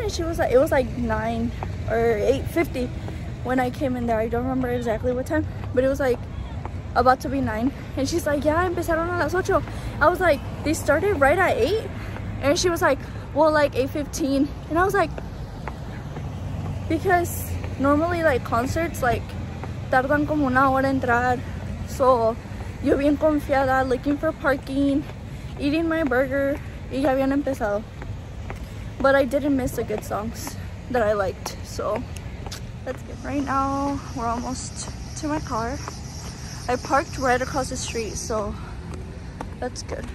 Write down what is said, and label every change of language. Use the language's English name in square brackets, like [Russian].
[English] And she was like, it was like 9 or 8:50. When I came in there, I don't remember exactly what time, but it was like about to be 9. And she's like, yeah, [Spanish] empezaron a las 8. [English] I was like, they started right at 8? And she was like, well, like 8:15. And I was like, because normally, like, concerts, like, [Spanish] tardan como una hora entrar. [English] So, [Spanish] yo bien confiada, [English] looking for parking, eating my burger, [Spanish] y ya habían empezado. [English] But I didn't miss the good songs that I liked. So, let's get right now. We're almost to my car. I parked right across the street, so that's good.